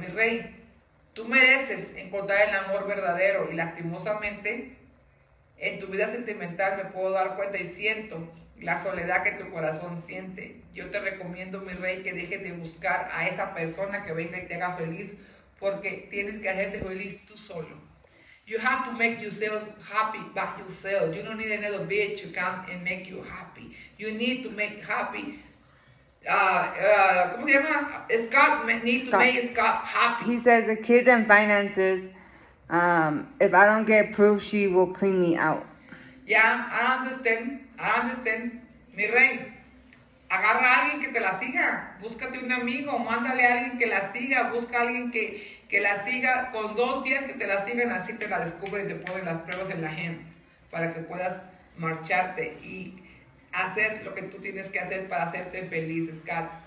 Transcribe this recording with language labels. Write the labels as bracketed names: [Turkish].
[Spanish] Mi rey, tú mereces encontrar el amor verdadero y lastimosamente en tu vida sentimental me puedo dar cuenta y siento la soledad que tu corazón siente, yo te recomiendo, mi rey, que dejes de buscar a esa persona que venga y te haga feliz, porque tienes que hacerte feliz tú solo. [English] You have to make yourself happy by yourself. You don't need another bitch to come and make you happy. You need to make happy. [Spanish] ¿Cómo se llama? [English] Scott needs to make Scott happy. He says the kids and finances, if I don't get proof, she will clean me out. Yeah, I understand. [Spanish] Mi rey, agarra a alguien que te la siga. Búscate un amigo, mándale a alguien que la siga. Busca a alguien que la siga. Con 2 días que te la sigan, así te la descubren y te ponen las pruebas en la gente para que puedas marcharte y hacer lo que tú tienes que hacer para hacerte feliz, Scott.